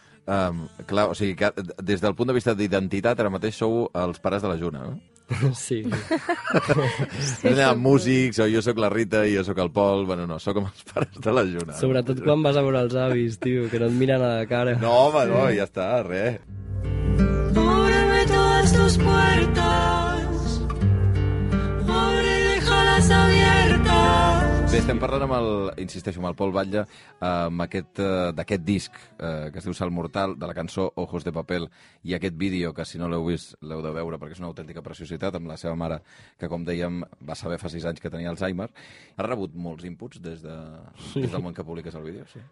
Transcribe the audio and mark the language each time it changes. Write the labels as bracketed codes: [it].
[ca] Clar, o sigui, que des del punt de vista d'identitat, ara mateix sou els pares de la Juna, no? Sí. Sí. No hi ha músics, o jo sóc la Rita i jo sóc el Pol, bueno, no, sóc els pares de la Juna. Sobretot quan vas a veure els avis, tio, que no et miren a la cara. No, home, no, ja està, res. [es] Ábreme todas tus puertas, abre y déjalas abiertas. [ca] Bé, estem parlant amb el, insisteixo, amb el Pol Batlle, amb aquest, d'aquest disc que es diu Salt Mortal, de la cançó Ojos de Papel, i aquest vídeo, que si no l'heu vist, l'heu de veure, perquè és una autèntica preciositat, amb la seva mare, que com dèiem, va saber fa 6 anys que tenia Alzheimer. Ha rebut molts inputs des del moment que publiques el vídeo? Sí.